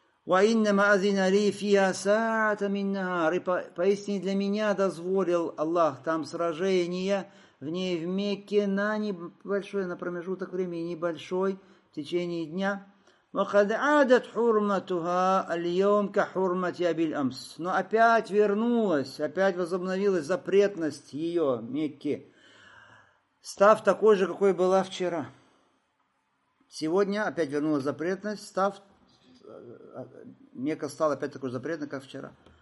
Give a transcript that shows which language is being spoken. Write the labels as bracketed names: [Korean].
[Arabic] وَإِنَّمَا أَذِنَ لِي فِيَا سَاعَةَ مِنْ نَهَارِ [Russian] Поистине для меня дозволил Аллах там сражение, в ней в Мекке, на небольшой, на промежуток времени небольшой, в течение дня, [Arabic] وقد عادت حرمتها اليوم كحرمة أبي الأمس. [Russian] Но опять вернулась, опять возобновилась запретность ее Мекки, став такой же, какой была вчера. Сегодня опять вернулась запретность, став Мекка стала опять такой же запретной, как вчера.